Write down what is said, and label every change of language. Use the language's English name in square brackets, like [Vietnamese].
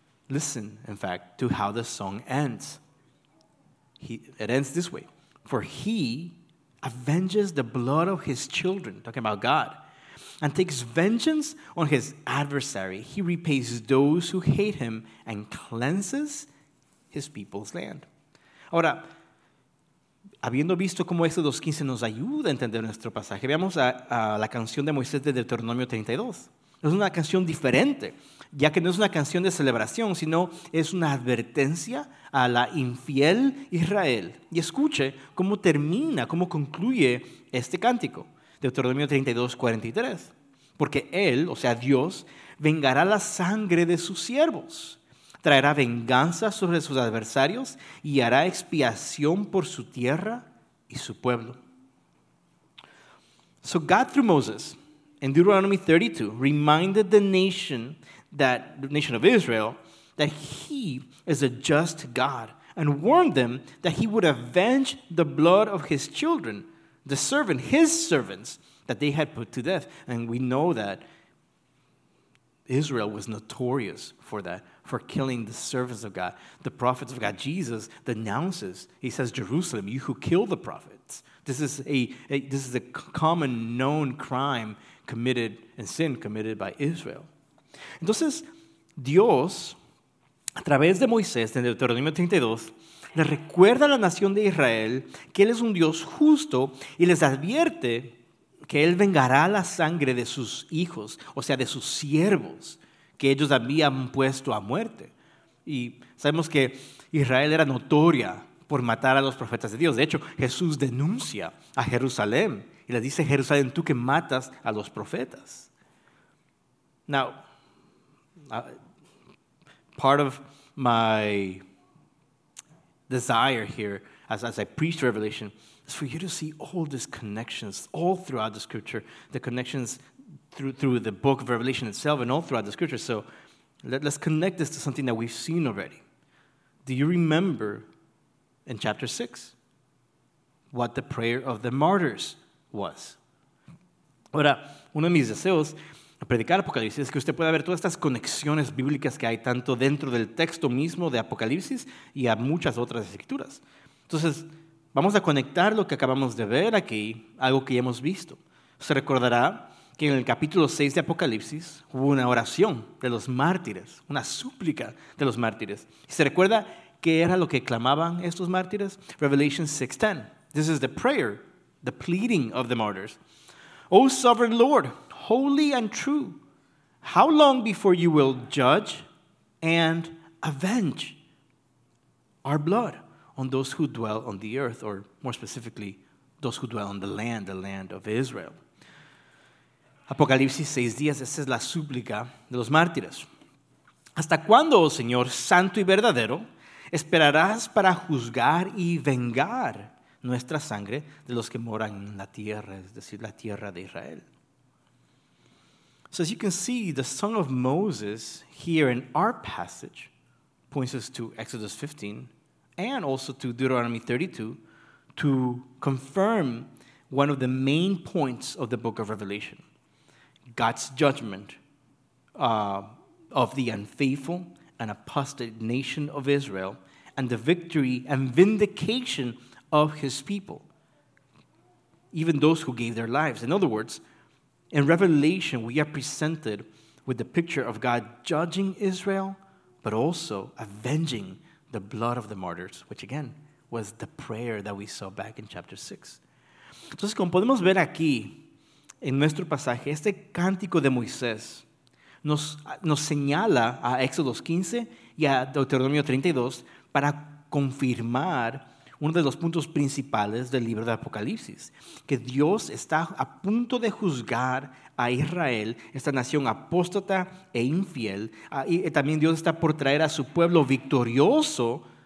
[English] Listen, in fact, to how the song ends. It ends this way. For he avenges the blood of his children, talking about God, and takes vengeance on his adversary. He repays those who hate him and cleanses his people's land. [Spanish] Ahora, habiendo visto cómo Éxodo 15 nos ayuda a entender nuestro pasaje, veamos a la canción de Moisés de Deuteronomio 32. Es una canción diferente, ya que no es una canción de celebración, sino es una advertencia a la infiel Israel. Y escuche cómo termina, cómo concluye este cántico. Deuteronomio 32, 43. Porque él, o sea Dios, vengará la sangre de sus siervos, traerá venganza sobre sus adversarios y hará expiación por su tierra y su pueblo. [English] So God through Moses in Deuteronomy 32 reminded the nation of Israel that he is a just God and warned them that he would avenge the blood of his children, the servant, his servants that they had put to death. And we know that Israel was notorious for that, for killing the servants of God, the prophets of God. Jesus denounces, he says, Jerusalem, you who kill the prophets. This is a common known crime committed and sin committed by Israel. [Spanish] Entonces, Dios, a través de Moisés, en Deuteronomio 32, le recuerda a la nación de Israel que él es un Dios justo y les advierte que él vengará la sangre de sus hijos, o sea, de sus siervos, que ellos habían puesto a muerte. Y sabemos que Israel era notoria por matar a los profetas de Dios. De hecho, Jesús denuncia a Jerusalén y le dice, Jerusalén, tú que matas a los profetas. [English] Now, part of my desire here as I preach Revelation is for you to see all these connections all throughout the scripture, the connections through the book of Revelation itself and all throughout the scripture. So let's connect this to something that we've seen already. Do you remember in chapter 6 what the prayer of the martyrs was? [Spanish] Ahora, uno de mis deseos al predicar Apocalipsis es que usted pueda ver todas estas conexiones bíblicas que hay tanto dentro del texto mismo de Apocalipsis y a muchas otras escrituras. Entonces, vamos a conectar lo que acabamos de ver aquí, algo que ya hemos visto. Se recordará que en el capítulo 6 de Apocalipsis hubo una oración de los mártires, una súplica de los mártires. ¿Se recuerda qué era lo que clamaban estos mártires? [English] Revelation 6:10. This is the prayer, the pleading of the martyrs. Oh, sovereign Lord, holy and true, how long before you will judge and avenge our blood on those who dwell on the earth, or more specifically, those who dwell on the land of Israel? [Spanish] Apocalipsis 6:10, esa es la súplica de los mártires. ¿Hasta cuándo, oh Señor, santo y verdadero, esperarás para juzgar y vengar nuestra sangre de los que moran en la tierra, es decir, la tierra de Israel? [English] So as you can see, the Song of Moses here in our passage points us to Exodus 15 and also to Deuteronomy 32 to confirm one of the main points of the book of Revelation, God's judgment of the unfaithful and apostate nation of Israel and the victory and vindication of his people, even those who gave their lives. In other words, in Revelation, we are presented with the picture of God judging Israel, but also avenging the blood of the martyrs, which again was the prayer that we saw back in chapter 6. [Spanish] Entonces, como podemos ver aquí, en nuestro pasaje, este cántico de Moisés nos señala a Éxodo 15 y a Deuteronomio 32 para confirmar uno de los puntos principales del libro de Apocalipsis, que Dios está a punto de juzgar a Israel, esta nación apóstata e infiel, y también Dios está por traer a su pueblo victorioso,